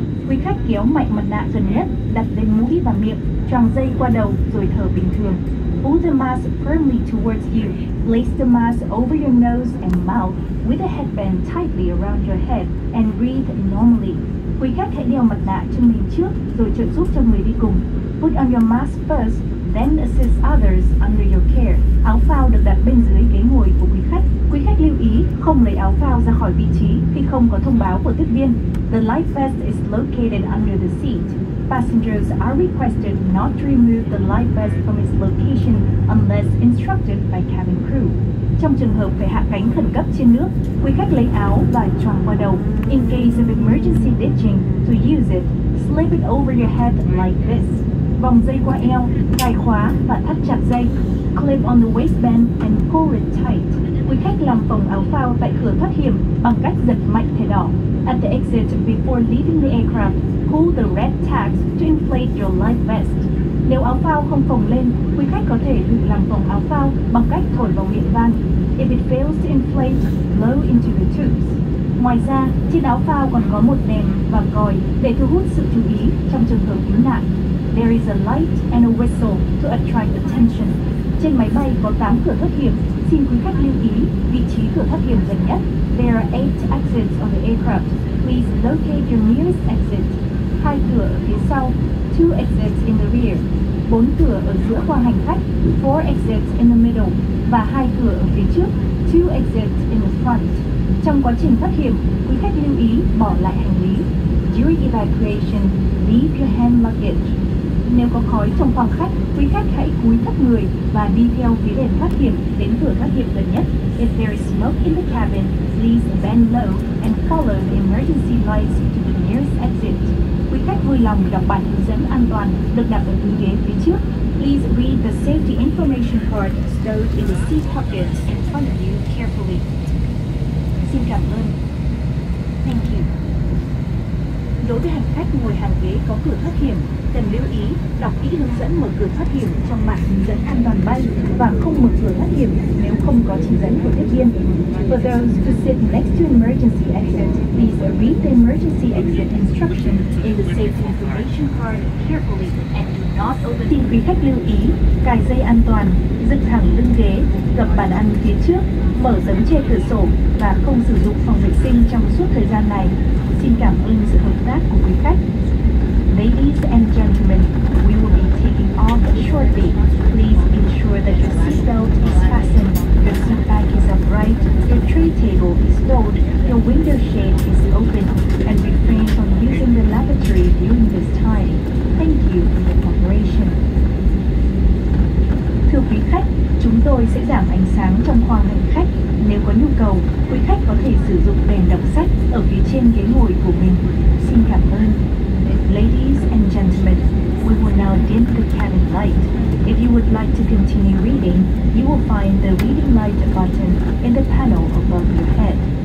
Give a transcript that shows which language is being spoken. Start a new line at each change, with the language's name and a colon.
Vietnamese: Quý khách kéo mạnh mặt nạ gần nhất, đặt lên mũi và miệng, tròng dây qua đầu rồi thở bình thường.
English: Pull the mask firmly towards you. Place the mask over your nose and mouth with a headband tightly around your head and breathe normally.
Vietnamese: Quý khách hãy đeo mặt nạ cho mình trước rồi trợ giúp cho người đi cùng.
English: Put on your mask first, then assist others under your care.
Vietnamese: Áo phao được đặt bên dưới ghế ngồi của quý khách. Quý khách lưu ý không lấy áo phao ra khỏi vị trí khi không có thông báo của tiếp viên.
English: The life vest is located under the seat. Passengers are requested not to remove the life vest from its location unless instructed by cabin crew.
Vietnamese: Trong trường hợp phải hạ cánh khẩn cấp trên nước, quý khách lấy áo và choàng qua đầu.
English: In case of emergency ditching, to use it, slip it over your head like this.
Vietnamese: Vòng dây qua eo, cài khóa và thắt chặt dây.
English: Clip on the waistband and pull it tight.
Vietnamese: Quý khách làm phồng áo phao tại cửa thoát hiểm bằng cách giật mạnh thẻ đỏ.
English: At the exit before leaving the aircraft, pull the red tags to inflate your life vest.
Vietnamese: Nếu áo phao không phồng lên, quý khách có thể tự làm phồng áo phao bằng cách thổi vào miệng van.
English: If it fails to inflate, blow into the tubes.
Vietnamese: Ngoài ra, trên áo phao còn có một đèn và còi để thu hút sự chú ý trong trường hợp cứu nạn.
English: There is a light and a whistle to attract attention.
Vietnamese: Trên máy bay có 8 cửa thoát hiểm. Xin quý khách lưu ý vị trí cửa thoát hiểm gần nhất.
English: There are 8 exits on the aircraft. Please locate your nearest exit.
Vietnamese: 2 cửa ở phía sau.
English: 2 exits in the rear.
Vietnamese: 4 cửa ở giữa khoang hành khách.
English: 4 exits in the middle.
Vietnamese: Và 2 cửa ở phía trước.
English: 2 exits in the front.
Vietnamese: Trong quá trình thoát hiểm, quý khách lưu ý bỏ lại hành lý.
English: During evacuation, leave your hand luggage.
Vietnamese: Nếu có khói trong phòng khách, quý khách hãy cúi thấp người và đi theo phía đèn thoát hiểm đến cửa thoát hiểm gần nhất.
English: If there is smoke in the cabin, please bend low and follow the emergency lights to the nearest exit.
Vietnamese: Quý khách vui lòng đọc bản hướng dẫn an toàn được đặt ở túi ghế phía trước.
English: Please read the safety information card stowed in the seat pocket in front of you carefully.
Vietnamese: Xin cảm ơn.
English: Thank you.
Vietnamese: Đối với hành khách ngồi hàng ghế có cửa thoát hiểm, cần lưu ý đọc kỹ hướng dẫn mở cửa thoát hiểm trong mạng hướng dẫn an toàn bay và không mở cửa thoát hiểm nếu không có chỉ dẫn của tiếp viên.
English: For those who sit next to emergency exit, please read the emergency exit instruction in the safety information card carefully and do not open.
Vietnamese: Xin quý khách lưu ý cài dây an toàn, dựng thẳng lưng ghế, gập bàn ăn phía trước, mở tấm che cửa sổ và không sử dụng phòng vệ sinh trong suốt thời gian này. Xin cảm ơn sự hợp tác của quý khách.
English: Ladies and gentlemen, we will be taking off shortly. Please ensure that your seatbelt is fastened, your seat back is upright, your tray table is stowed, your window shade is open, and refrain from using the lavatory during this time. Thank you for your cooperation.
Vietnamese: Thưa quý khách, chúng tôi sẽ giảm ánh sáng trong khoang hành khách. Nếu có nhu cầu, quý khách có thể sử dụng đèn đọc sách ở phía trên ghế ngồi của mình. Xin cảm ơn.
English: Ladies and gentlemen, we will now dim the cabin light. If you would like to continue reading, you will find the reading light button in the panel above your head.